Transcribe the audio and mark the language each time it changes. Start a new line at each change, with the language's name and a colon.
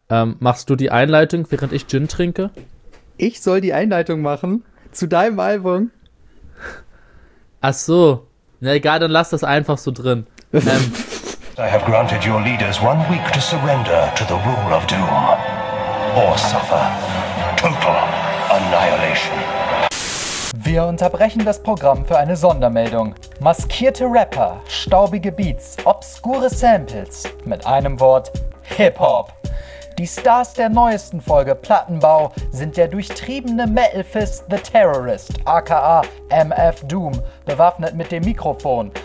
German: Machst du die Einleitung, während ich Gin trinke? Ich soll die Einleitung machen zu deinem Album. Ach so. Na egal, dann lass das einfach so drin.
English: I have granted your leaders 1 week to surrender to the rule of doom. Or suffer total annihilation.
German: Wir unterbrechen das Programm für eine Sondermeldung. Maskierte Rapper, staubige Beats, obskure Samples. Mit einem Wort, Hip-Hop. Die Stars der neuesten Folge Plattenbau sind der durchtriebene Metalfist The Terrorist, aka MF Doom, bewaffnet mit dem Mikrofon.